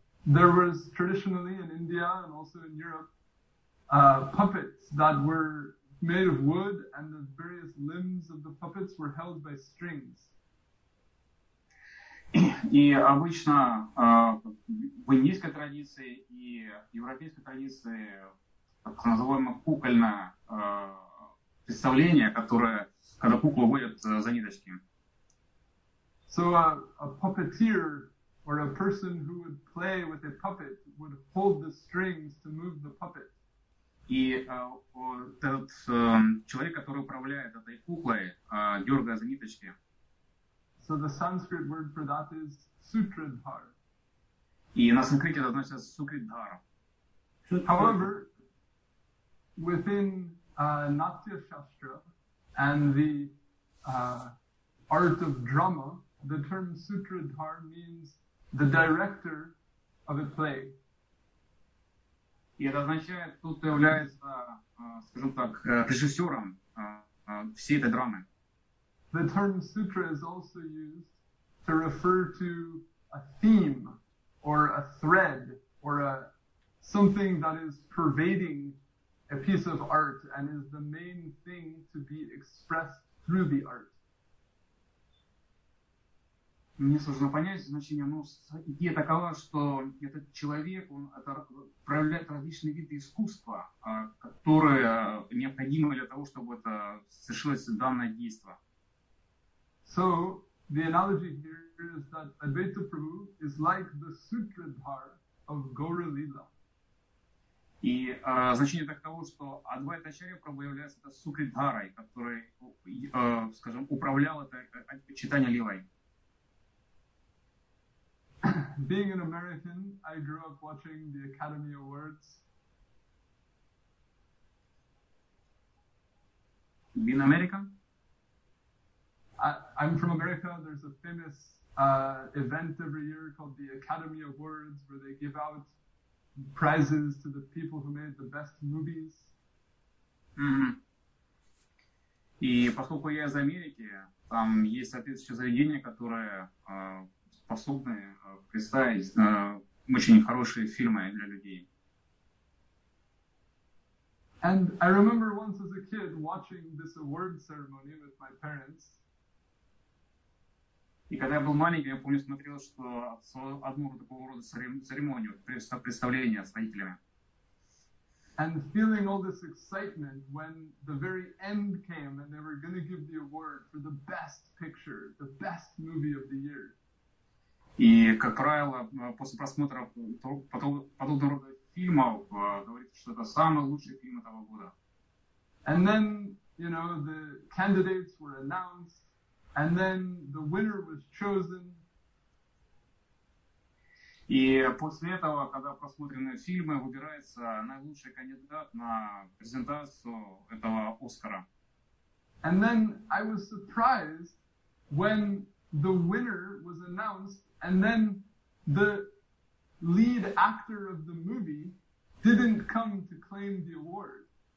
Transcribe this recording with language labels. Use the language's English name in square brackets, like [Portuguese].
[English] There was traditionally in India and also in Europe puppets that were made of wood, and the various limbs of the puppets were held by strings. [Russian] И обычно в индийской традиции и европейской традиции так называемое кукольное представление, которое когда куклу водят за ниточки. [English] So a puppeteer or a person who would play with a puppet would hold the strings to move the puppet. [Russian] И этот человек, который управляет этой куклой, дергая за ниточки. [English] So the Sanskrit word for that is sutradhar. [Russian] И на санскрите это значит сукридхар. [English] However, within Natya Shastra and the art of drama, the term sutradhar means the director of a play. [Russian] И это означает, тот, кто является, скажем так, режиссером всей этой драмы. [English] The term sutra is also used to refer to a theme or a thread or a something that is pervading a piece of art and is the main thing to be expressed through the art. [Russian] Мне сложно понять значение, но идея такова, что этот человек, он это проявляет различные виды искусства, которые необходимы для того, чтобы это совершилось данное действие. [English] So, the analogy here is that Advaita Prabhu is like the sutradhar of Gaura Lila. [Russian] И значение таково, что Адвайта Ачарья Прабху является это сутрадхарой, который, скажем, управлял это читание Лилой. [English] Being an American, I grew up watching the Academy Awards. Being American? I'm from America. There's a famous event every year called the Academy Awards, where they give out prizes to the people who made the best movies. [Russian] Mm-hmm. И поскольку я из Америки, там есть соответствующее заведение, которое способны представить очень хорошие фильмы для людей. [English] And I remember once as a kid watching this award ceremony with my parents. [Russian] И когда я был маленький, я помню, смотрел, что одну такого рода церемонию, представление с родителями. [English] And feeling all this excitement when the very end came and they were going to give the award for the best picture, the best movie of the year. [Russian] И, как правило, после просмотра подобного рода фильмов говорится, что это самый лучший фильм этого года. [English] And then, you know, the candidates were announced, and then the winner was chosen. [Russian] И после этого, когда просмотрены фильмы, выбирается наилучший кандидат на презентацию этого Оскара. [English] And then I was surprised when the winner was announced, and then the lead actor of the movie didn't come to claim the award.